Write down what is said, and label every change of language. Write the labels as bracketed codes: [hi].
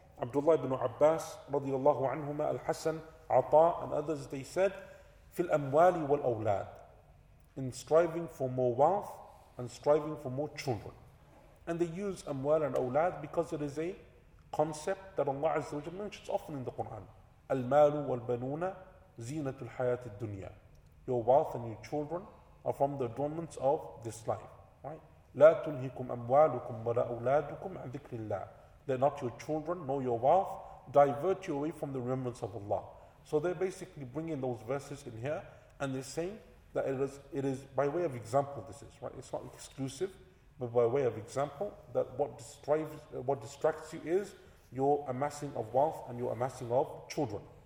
[en] Abdullah ibn Abbas radiallahu anhuma, al-Hasan, Ata, and others, they said, fil amwali wal awlad, in striving for more wealth and striving for more children. And they use amwal and awlad because it is a concept that Allah Azza wa Jalla mentions often in the Quran. [ar] Al-malu wal-banuna zinatul hayat al-dunya. [en] Your wealth and your children are from the adornments of this life. Right? [ar] لا تلهكم أموالكم ولا أولادكم عن ذكر الله. [en] They're not your children nor your wealth. Divert you away from the remembrance of Allah. So they're basically bringing those verses in here, and they're saying that it is by way of example. This is right. It's not exclusive, but by way of example, that what distracts you is your amassing of wealth and your amassing of children.